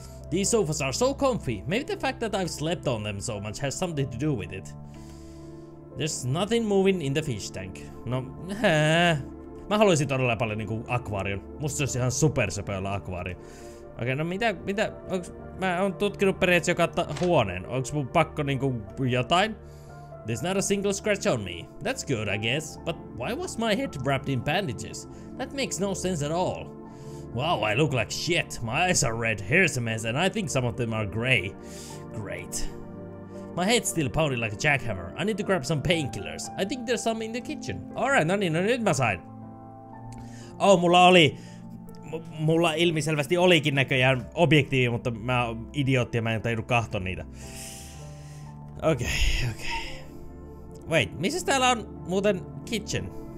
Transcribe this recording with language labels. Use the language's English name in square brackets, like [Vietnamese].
[English] These sofas are so comfy. Maybe the fact that I've slept on them so much has something to do with it. There's nothing moving in the fish tank. [Finnish] No, mä haluaisin todella paljon niinku akvaarion. Musta se olisi ihan supersepä olla akvaario. Okei, no mitä, onks, mä oon tutkinut periaatteessa joka huoneen. Onks mun pakko niinku jotain? [English] There's not a single scratch on me. That's good, I guess. But why was my head wrapped in bandages? That makes no sense at all. Wow, I look like shit. My eyes are red, hair's a mess, and I think some of them are gray. Great. My head's still pounding like a jackhammer. I need to grab some painkillers. I think there's some in the kitchen. Alright, [Finnish] no niin, no nyt mä sain. Oh, mulla oli... Mulla ilmiselvästi olikin näköjään objektiivi, mutta mä oon idiootti ja mä en tajunnut kahtoa niitä. Okei. Wait, missä täällä on muuten kitchen?